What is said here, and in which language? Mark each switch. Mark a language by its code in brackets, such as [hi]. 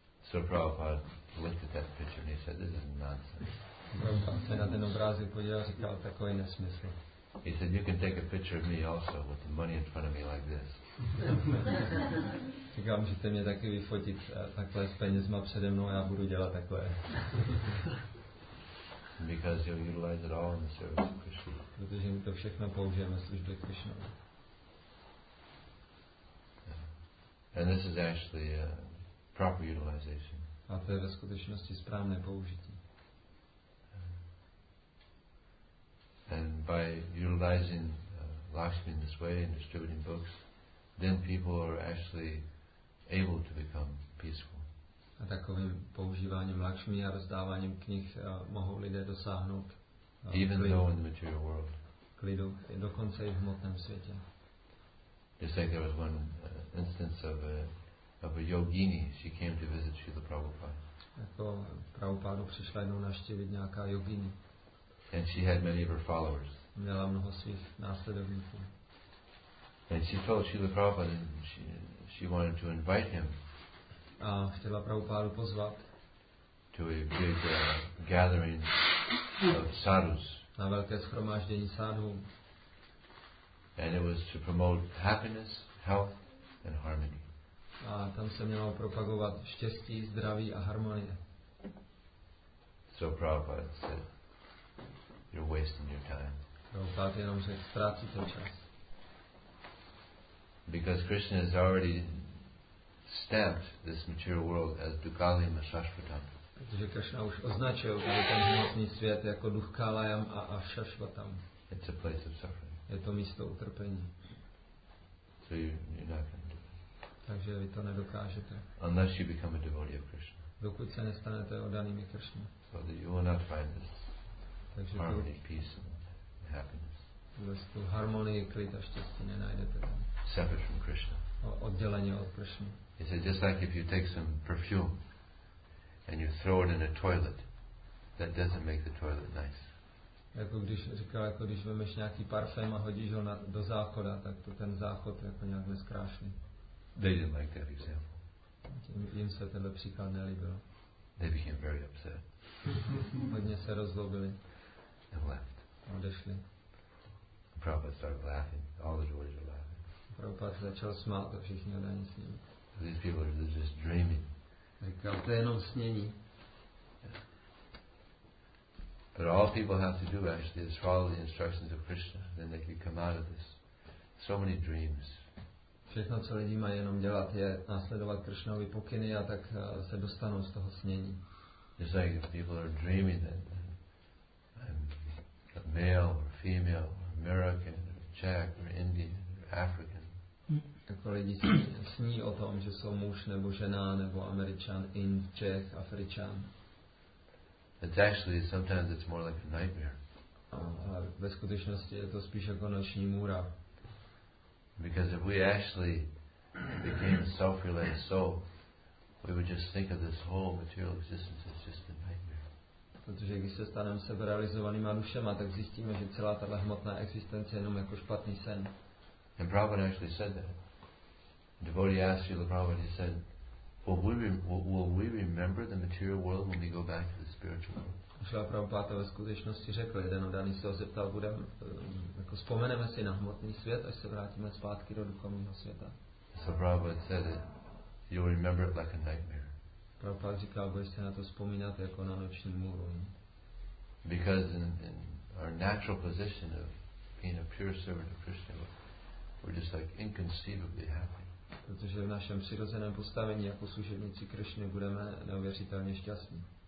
[en] So Prabhupada looked at that picture and he said, this is nonsense. [cs] Prabhupada se na ten obrázek podíval, říkal, takový nesmysl. [en] He said, you can take a picture of me also with the money in front of me like this. [cs] Říkal, můžete mě taky vyfotit takhle s penězma přede mnou, já budu dělat takhle. [en] Because you'll utilize it all in the service of Krishna. [cs] Protože my to všechno použijeme v službě Krishna. [en] And this is actually a proper utilization. [cs] A to je ve skutečnosti správné použití. [en] And by utilizing Lakshmi in this way and distributing books, then people are actually able to become peaceful. [cs] A takovým používáním Lakshmi a rozdáváním knih mohou lidé dosáhnout [en] even klidu, though in the material world. [cs] Klidu, dokonce i v hmotném světě. [en] Just like there was one instance of a yogini, she came to visit Srila Prabhupada. [cs] Jako Prabhupádu přišla jednou navštívit nějaká yogini. [en] And she had many of her followers. [cs] Měla mnoho svých následovníků. [en] And she told Srila Prabhupada and she wanted to invite him. [cs] A chtěla Prabhupádu pozvat. [en] To a big gathering of sadhus. [cs] Na velké shromáždění sadhů. [en] And it was to promote happiness, health and harmony. [cs] A tam se mělo propagovat štěstí, zdraví a harmonie. [en] So Prabhupada said, you're wasting your time. [cs] Prabhupada jenom řekl, ztrácíte čas. [en] Because Krishna has already stamped this material world as Dukalim Ashashvatam. [cs] Protože Krishna už označil ten hmotný svět jako Dukalayam a Ashashvatam. [en] It's a place of suffering. [cs] Je to místo utrpení. [en] So you're not going to do it. [cs] Takže vy to nedokážete. [en] Unless you become a devotee of Krishna. [cs] Dokud se nestanete oddanými Krishna. [en] So that you will not find this harmony, peace and happiness. [cs] Bez tu harmonii, klid a štěstí nenajdete tam. [en] Separate from Krishna. [cs] Oddělení od Krishna. [en] He said, just like if you take some perfume and you throw it in a toilet, that doesn't make the toilet nice. [cs] Jako když říkal, jako když vemeš nějaký parfém a hodíš ho do záchoda, tak to ten záchod jako nějak neskrášlí. [en] They didn't like that example. [cs] Jim se tenhle příklad nelíbil. [en] They became very upset. [cs] Hodně se rozlobili. [en] And left. [cs] Odešli. [en] Prabhupada started laughing. All the devotees were laughing. [cs] Prabhupada začal smát a všichni odaní s ním. [en] These people are just dreaming. [cs] Říkal, to je jenom snění. [en] But all people have to do actually is follow the instructions of Krishna, then they can come out of this. So many dreams. [cs] Všechno, co lidi mají jenom dělat, je následovat Krishnovy pokyny a tak se dostanou z toho snění. [en] It's like if people are dreaming that I'm a male or female, or American or Czech or Indian or African. [cs] Jako lidi sní o tom, že jsou muž nebo žena nebo Američan, Ind, Čech, Afričan. [en] It's actually sometimes it's more like a nightmare. [cs] Ve skutečnosti je to spíš jako noční můra. [en] Because if we actually became a self-realized soul, we would just think of this whole material existence as just a nightmare. [cs] Protože když se staneme seberealizovanýma dušema, tak zjistíme, že celá tato hmotná existence je jenom jako špatný sen. [en] And Prabhupada actually said that. A devotee asked Srila Prabhupada, he said, will we remember the material world when we go back to the spiritual world? [cs] Šla Prabhupáda ve skutečnosti řekl, jeden odaný se ho zeptal, budeme, jako vzpomeneme si na hmotný svět, až se vrátíme zpátky do duchovního světa. [en] So Prabhupada said it, you'll remember it like a nightmare. [cs] Prabhupáda říkal, budeš se na to vzpomínat jako na noční můru. [en] Because in our natural position of being a pure servant of Krishna, we're just like inconceivably happy. [cs] Protože v našem přirozeném postavení jako služebníci Krishny budeme neuvěřitelně šťastní.